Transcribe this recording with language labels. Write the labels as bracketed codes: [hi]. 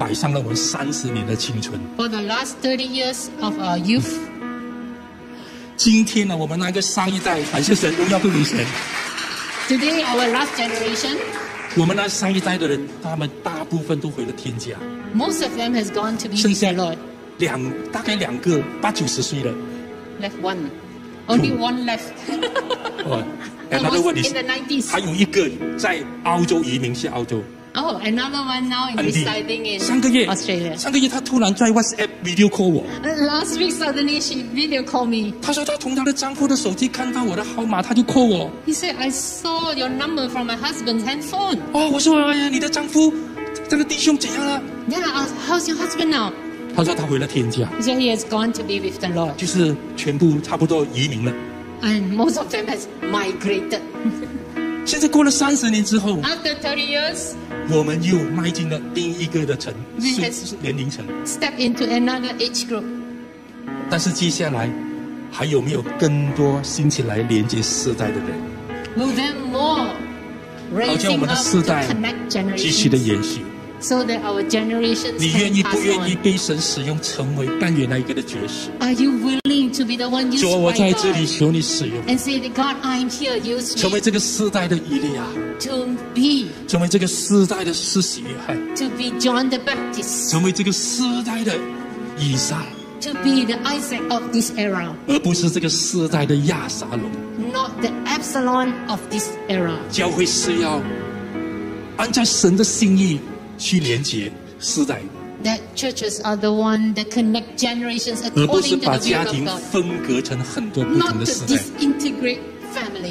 [zh] 结果呢，接下来我们就摆上了我们30年的青春。 [en] For the last 30 years of our youth. [zh] 今天呢，我们那个上一代，感谢神，荣耀归于神。 [en] Today, our last generation. [zh] 我们那上一代的人，他们大部分都回了天家。 [en] Most of them has gone to be with the Lord. [zh] 大概两个80-90岁了。 [en] Left one. Only one left. Oh, another one is in the 90s. [zh] 还有一个在澳洲移民去澳洲。 [en] Oh, another one now is deciding in [zh] 上个月, [en] Australia. [zh] 上个月, 她突然在 WhatsApp video call 我。 [en] Last week, suddenly she video called me. [zh] 她说她从她的丈夫的手机看到我的号码, 她就call我。 [en] He said, I saw your number from my husband's handphone. [zh] Oh, 我说, 你的丈夫, 这个弟兄怎样了? [en] Yeah, I asked, how's your husband now? [zh] 她说她回了天家。 [en] He said, he has gone to be with the Lord. [zh] 就是全部差不多移民了。 [en] And most of them has migrated. [zh] 现在过了30年之后, [en] After 30 years, [zh] 我们又迈进了另一个的城, 是年龄层, [en] step into another age group. [zh] 但是接下来, 还有没有更多兴起来连接世代的人? [en] Will there more raising up to connect generations? So that our generations can pass on. [zh] 你愿意不愿意被神使用成为扮演那一个的角色? [en] Are you willing to be the one used by God? [zh] 主我在这里求你使用, [en] and say that God, I'm here, use me. [zh] 成为这个世代的以利亚, [en] to be. [zh] 成为这个世代的施洗约翰, [en] to be John the Baptist. [zh] 成为这个世代的以撒, [en] to be the Isaac of this era. [zh] 而不是这个世代的亚撒龙, [en] not the Absalom of this era. [zh] 教会是要按照神的心意, 去连接世代, [en] that churches are the one that connect generations according to the will of God, not to disintegrate family.